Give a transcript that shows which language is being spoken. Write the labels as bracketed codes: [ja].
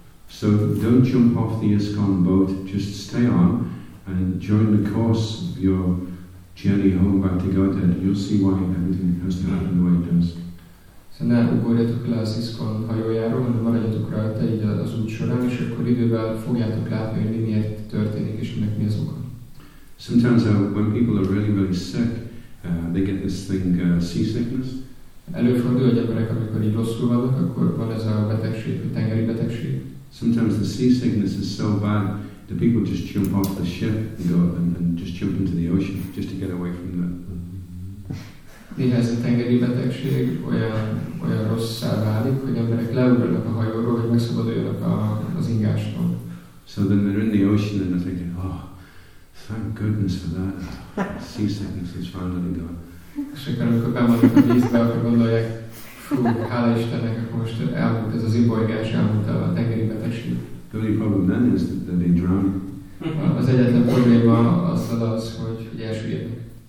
[en] So don't jump off the ISKCON boat, just stay on and during the course of your journey home back to Godhead, you'll see why everything has to happen the way it does. [hu] So ne ugorjatok le az ISKCON hajójáról, hanem maradjatok rajta így az út során, és akkor idővel fogjátok látni, hogy miért történik és minek mi az oka. [en] Sometimes when people are really, really sick, they get this thing seasickness. [hu] Előfordul, hogy emberek, amikor így rosszul vannak, akkor van ez a betegség, a tengeri betegség. [en] Sometimes the seasickness is so bad, the people just jump off the ship and go and just jump into the ocean just to get away from the. [hu] Néha ez a tengeri betegség olyan rosszá válik, hogy emberek leugranak a hajóról, hogy megszabaduljanak az ingástól. [en] So then they're in the ocean and they're thinking, oh, thank goodness for that. Seasickness is finally gone. [hu] És akkor, amikor bemondjuk a vízbe, akkor gondolják, fú, hála Istennek, akkor most elmúlt ez az imbolygás, elmúlt a tengeri betegség. [en] The only problem then is that they've been drowned. [hu] Az egyetlen probléma az, hogy elsüllyednek.